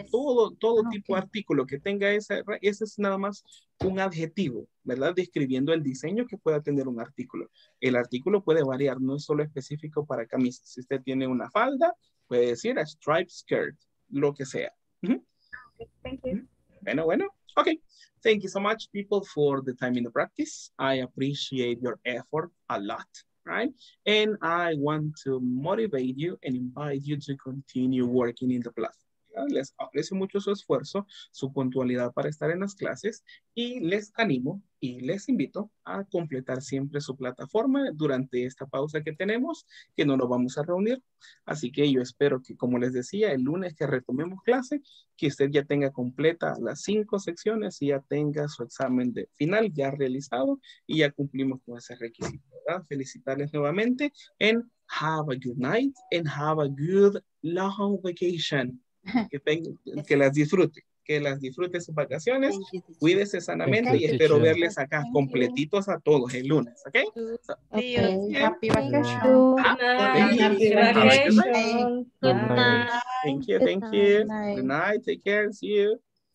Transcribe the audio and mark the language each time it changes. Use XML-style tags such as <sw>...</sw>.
<es>Es, todo tipo de artículo que tenga ese es nada más un adjetivo, ¿verdad? Describiendo el diseño que pueda tener un artículo. El artículo puede variar, no es solo específico para camisas. Si usted tiene una falda, puede decir</es> <en>a stripe skirt,</en> <es>lo que sea.</es> <en>Thank you. Bueno. Okay. Thank you so much, people, for the time in the practice. I appreciate your effort a lot, right? And I want to motivate you and invite you to continue working in the class.</en> <es>Les aprecio mucho su esfuerzo, su puntualidad para estar en las clases y les animo y les invito a completar siempre su plataforma durante esta pausa que tenemos, que no nos vamos a reunir. Así que yo espero que, como les decía, el lunes que retomemos clase, que usted ya tenga completa las 5 secciones y ya tenga su examen de final ya realizado y ya cumplimos con ese requisito, ¿verdad? Felicitarles nuevamente en</es> <en>have a good night and have a good long vacation.</en> <es>Que las disfrute sus vacaciones, cuídese sanamente y espero verles acá completitos a todos el lunes, ¿ok?</es> <en>Happy vacation. Thank you, good night, take care, see you.</en>